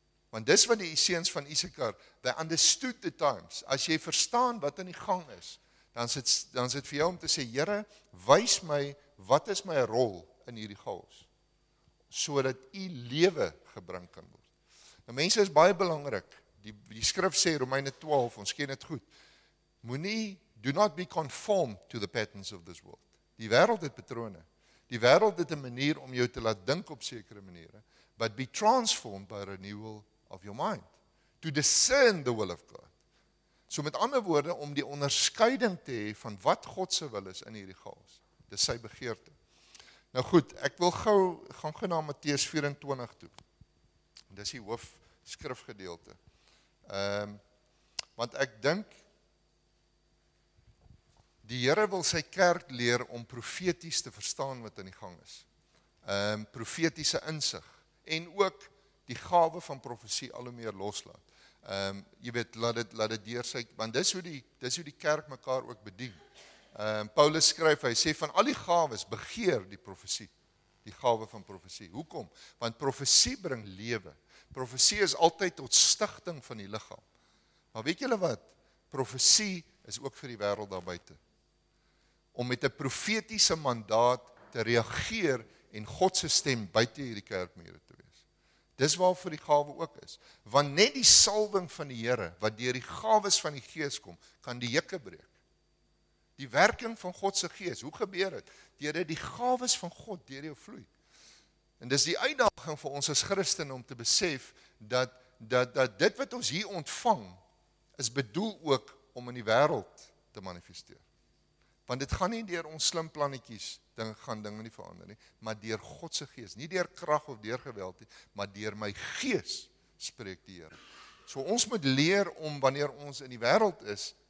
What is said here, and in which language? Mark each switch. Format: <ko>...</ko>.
<af>Want dis wat die seuns van Issakar,</af> <en>they understood the times.</en> <af>As jy verstaan wat in die gang is, dan is dit vir jou om te sê, Here, wys my wat is my rol in hierdie chaos, sodat U lewe gebring kan word. Nou mense, is baie belangrik. Die skrif sê Romeine 12, ons ken dit goed. Moenie,</af> <en>do not be conformed to the patterns of this world.</en> <af>Die wêreld het patrone. Die wêreld het 'n manier om jou te laat dink op sekere maniere.</af> <en>But be transformed by renewal of your mind. To discern the will of God.</en> <af>So met ander woorde, om die onderskeiding te hê van wat God se wil is in hierdie chaos. Dis sy begeerte. Nou goed, ek wil gaan na Matteus 24 toe. Dis die hoofskrifgedeelte. Want ek dink, die Here wil sy kerk leer om profeties te verstaan wat aan die gang is. Profetiese insig. En ook die gawe van profesie al hoe meer loslaat. Jy weet, laat dit deur sy, want dis hoe die kerk mekaar ook bedien. Paulus skryf, hy sê, van al die gawes begeer die profesie. Die gawe van profesie. Hoekom? Want profesie bring lewe. Profesie is altyd tot stigting van die liggaam. Maar weet julle wat? Profesie is ook vir die wêreld daar buite. Om met 'n profetiese mandaat te reageer en God se stem buite hierdie kerkmure te wees. Dis waarvoor die gawe ook is. Want net die salwing van die Here, wat deur die gawes van die Gees kom, kan die hekke breek. Die werking van God se Gees, hoe gebeur dit? Deurdat die gawes van God deur jou vloei. En dis die uitdaging vir ons as Christene om te besef dat dit wat ons hier ontvang, is bedoel ook om in die wêreld te manifesteer. Want dit gaan nie deur ons slim plannetjies dinge nie verander nie, maar deur God se Gees, nie deur krag of deur geweld nie, maar deur my Gees spreek die Here. So ons moet leer om wanneer ons in die wêreld is,</af>